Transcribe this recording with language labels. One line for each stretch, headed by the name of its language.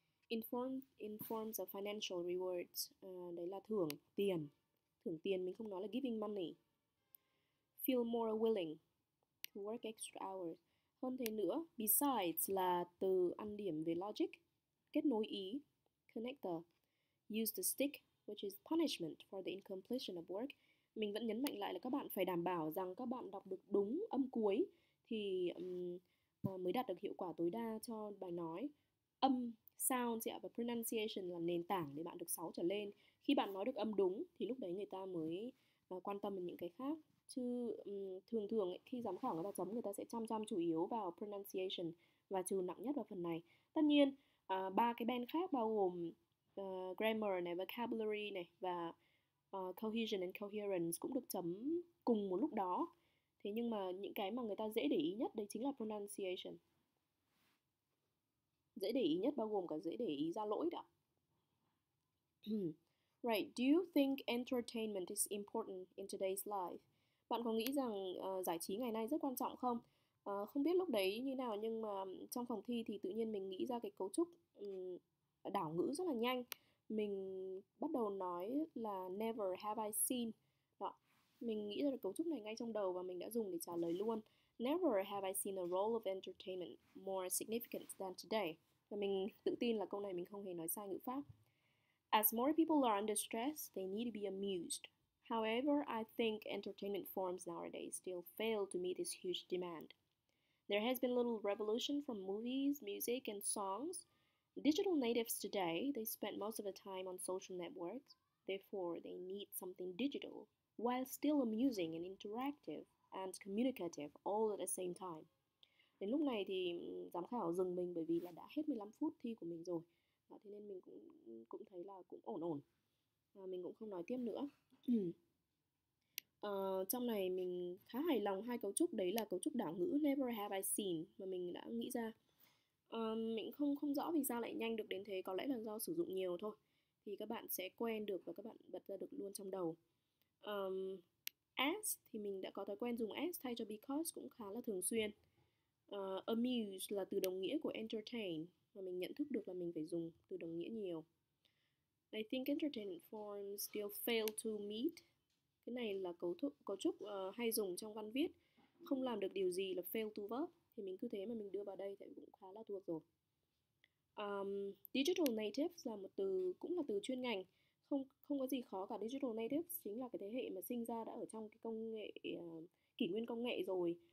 English: In forms of financial rewards,
Vietnamese: đấy là thưởng tiền. Thưởng tiền mình không nói là
English: giving money. Feel more willing to work extra hours.
Vietnamese: Hơn thế nữa, besides là từ ăn điểm về logic, kết nối ý, connector.
English: Use the stick, which is punishment for the incompletion of work.
Vietnamese: Mình vẫn nhấn mạnh lại là các bạn phải đảm bảo rằng các bạn đọc được đúng âm cuối thì mới đạt được hiệu quả tối đa cho bài nói. Âm, sound và pronunciation là nền tảng để bạn được 6 trở lên. Khi bạn nói được âm đúng thì lúc đấy người ta mới quan tâm đến những cái khác. Chứ thường thường ấy, khi giám khảo người ta chấm, người ta sẽ chăm chăm chủ yếu vào pronunciation và trừ nặng nhất vào phần này. Tất nhiên, ba cái band khác bao gồm grammar này, vocabulary này và cohesion and coherence cũng được chấm cùng một lúc đó. Thế nhưng mà những cái mà người ta dễ để ý nhất đấy chính là pronunciation. Dễ để ý nhất bao gồm cả dễ để ý ra lỗi đó.
English: Right, do you think entertainment is important in today's life?
Vietnamese: Bạn có nghĩ rằng giải trí ngày nay rất quan trọng không? Không biết lúc đấy như nào nhưng mà trong phòng thi thì tự nhiên mình nghĩ ra cái cấu trúc đảo ngữ rất là nhanh. Mình bắt đầu nói là
English: never have I seen.
Vietnamese: Đó. Mình nghĩ ra được cấu trúc này ngay trong đầu và mình đã dùng để trả lời luôn.
English: Never have I seen a role of entertainment more significant than today.
Vietnamese: Và mình tự tin là câu này mình không hề nói sai ngữ pháp.
English: As more people are under stress, they need to be amused. However, I think entertainment forms nowadays still fail to meet this huge demand. There has been little revolution from movies, music, and songs. Digital natives today, they spend most of the time on social networks. Therefore, they need something digital, while still amusing and interactive and communicative all at the same time.
Vietnamese: Đến lúc này thì giám khảo dừng mình bởi vì là đã hết 15 phút thi của mình rồi. Đó, thế nên mình cũng cũng thấy là cũng ổn ổn. Mình cũng không nói tiếp nữa. Trong này mình khá hài lòng hai cấu trúc đấy là cấu trúc đảo ngữ
English: never have I seen
Vietnamese: mà mình đã nghĩ ra. Mình không không rõ vì sao lại nhanh được đến thế, có lẽ là do sử dụng nhiều thôi. Thì các bạn sẽ quen được và các bạn bật ra được luôn trong đầu. As thì mình đã có thói quen dùng as thay cho because cũng khá là thường xuyên. Amuse là từ đồng nghĩa của entertain mà mình nhận thức được là mình phải dùng từ đồng nghĩa nhiều.
English: I think entertainment forms still fail to meet.
Vietnamese: Cái này là cấu trúc hay dùng trong văn viết. Không làm được điều gì là fail to verb. Thì mình cứ thế mà mình đưa vào đây thì cũng khá là thuộc rồi. Digital natives là một từ cũng là từ chuyên ngành. Không không có gì khó cả. Digital natives chính là cái thế hệ mà sinh ra đã ở trong cái công nghệ kỷ nguyên công nghệ rồi.